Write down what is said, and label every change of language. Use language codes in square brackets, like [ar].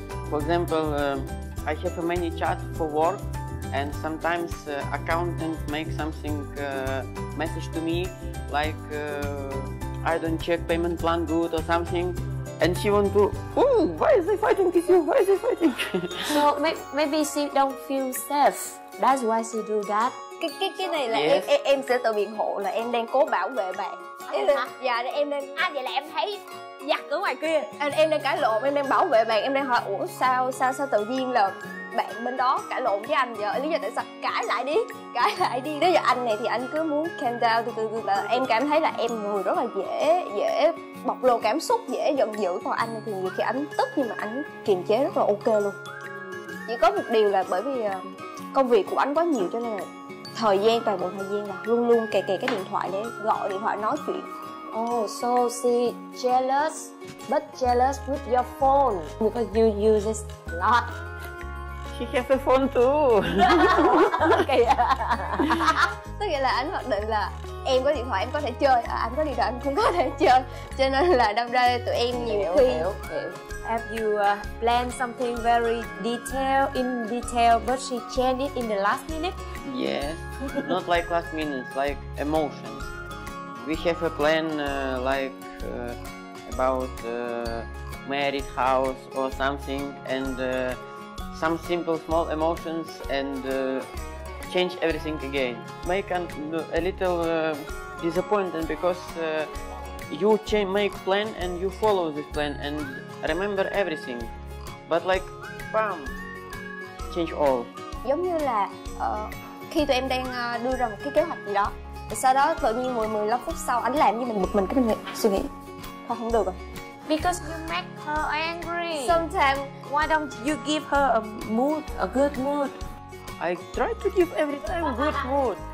[en] For example, I have many chat for work, and sometimes accountant make something message to me, like I don't check payment plan good or something, and she want to, oh, why is he fighting with you? Why is he fighting? So maybe she don't feel safe. That's why she do that. [vi] Cái này là yes. em sẽ tự biện hộ là em đang cố bảo vệ bạn. Dạ, em đang vậy là em thấy giặc ở ngoài kia. Anh em đang cãi lộn, em đang bảo vệ bạn, em đang hỏi ủa sao tự nhiên là bạn bên đó cãi lộn với anh vậy? Lý do tại sao? Cãi lại đi. Nếu giờ anh này thì anh cứ muốn [en] calm down [vi] từ từ là em cảm thấy là em người rất là dễ bộc lộ cảm xúc, dễ giận dữ. Còn anh thì nhiều khi anh tức nhưng mà anh kiềm chế rất là ok luôn. Chỉ có một điều là bởi vì công việc của anh quá nhiều cho nên là thời gian, toàn bộ thời gian là luôn luôn kè cái điện thoại để gọi điện thoại nói chuyện. [en] Oh, so she jealous, but jealous with your phone because you use it a lot. She has a phone too. Okay. [vi] Tức nghĩa là anh hoạch định là em có điện thoại em có thể chơi, anh có điện thoại anh không có thể chơi. Cho nên là đâm ra tụi em nhiều khi [en] Have you planned something very detail, but she changed it in the last minute? Yes, not like last minute, like emotions. We have a plan like about married house or something, and some simple small emotions, and change everything again. Make a little disappointment, because you make plan and you follow this plan and remember everything, but like bam, change all. [vi] Giống như là khi tụi em đang đưa ra một cái kế hoạch gì đó, sau đó tự nhiên 10-15 phút sau anh làm như mình bực mình, cái mình suy nghĩ thôi không được rồi. [en] Because you make her angry. Sometimes why don't you give her a mood, a good mood? I try to give every time good mood.